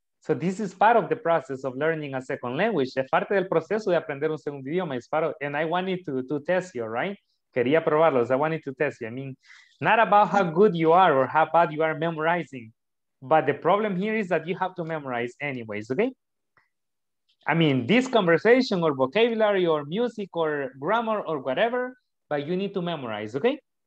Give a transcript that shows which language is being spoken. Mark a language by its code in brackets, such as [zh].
[en] So this is part of the process of learning a second language. [es] Es parte del proceso de aprender un segundo idioma. [en] Es part of, and I wanted to test you, right? [es] Quería probarlos. [en] I wanted to test you. I mean, not about how good you are or how bad you are memorizing. But the problem here is that you have to memorize anyways, okay? I mean, this conversation or vocabulary or music or grammar or whatever, but you need to memorize, okay?